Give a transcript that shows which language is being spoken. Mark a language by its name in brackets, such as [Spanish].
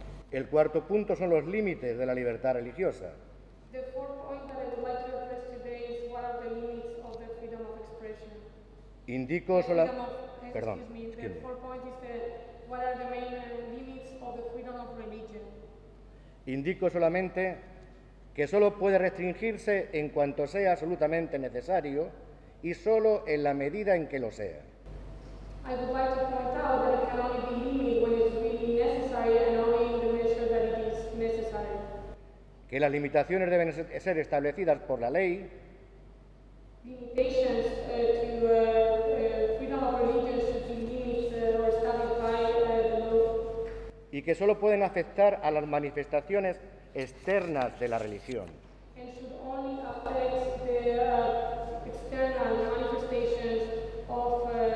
[Spanish] El cuarto punto son los límites de la libertad religiosa. [English] The fourth point that I would like to address today is what are the limits of the freedom of expression. [Spanish] Indico perdón. [English] Excuse me. The fourth point is what are the main limits of the freedom of religion. [Spanish] Indico solamente que solo puede restringirse en cuanto sea absolutamente necesario y solo en la medida en que lo sea. [English] I would like to point out that it can only be limited when it's really necessary and only in the measure that it is necessary. [Spanish] Que las limitaciones deben ser establecidas por la ley. [English] Limitations to freedom of religion should be limited or established by the law. [Spanish] Y que solo pueden afectar a las manifestaciones externas de la religión. [English] And should only affect the external manifestations of